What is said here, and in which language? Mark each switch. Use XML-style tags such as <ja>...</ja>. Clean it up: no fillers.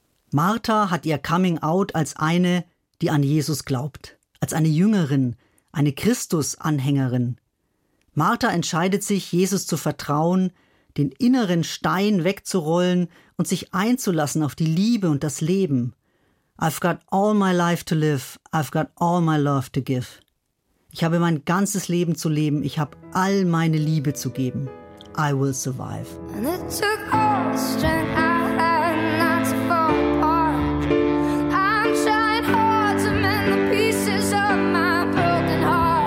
<de>Martha hat ihr Coming Out als eine, die an Jesus glaubt, als eine Jüngerin, eine Christus-Anhängerin. Martha entscheidet sich, Jesus zu vertrauen, den inneren Stein wegzurollen und sich einzulassen auf die Liebe und das Leben.</de> <en>I've got all my life to live, I've got all my love to give.</en> <de>Ich habe mein ganzes Leben zu leben, ich habe all meine Liebe zu geben.</de> <en>I will survive. And it took all the strength I had not to fall apart. I'm trying hard to mend the pieces of my broken heart.</en>